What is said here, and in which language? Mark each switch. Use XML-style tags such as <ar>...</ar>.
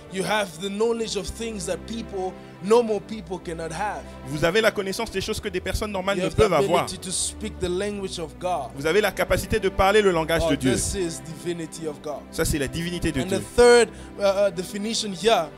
<en>You have the knowledge of things that people. Normal people cannot have.</en> <fr>Vous avez la connaissance des choses que des personnes normales ne peuvent avoir.</fr> <en>To speak the language of God.</en> <fr>Vous avez la capacité de parler le langage de Dieu.</fr> <en>This is divinity of God.</en> <fr>Ça, c'est la divinité de</fr> <en>And</en> <fr>Dieu.</fr> <en>The third, definition here,</en>